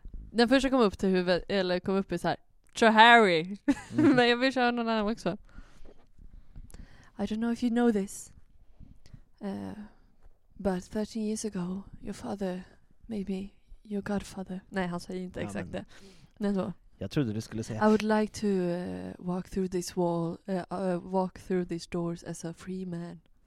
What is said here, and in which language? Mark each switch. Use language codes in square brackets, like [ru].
[sv] Den första kom upp till huvudet, eller kom upp i så här, Tra Harry. Men jag vill köra någon annan också. [en] I don't know if you know this. But 13 years ago, your father, maybe your godfather. [sv] Nej, han säger inte exakt det. Men då. Jag trodde du skulle säga. [en] I would like to walk through this wall, walk through these doors as a free man.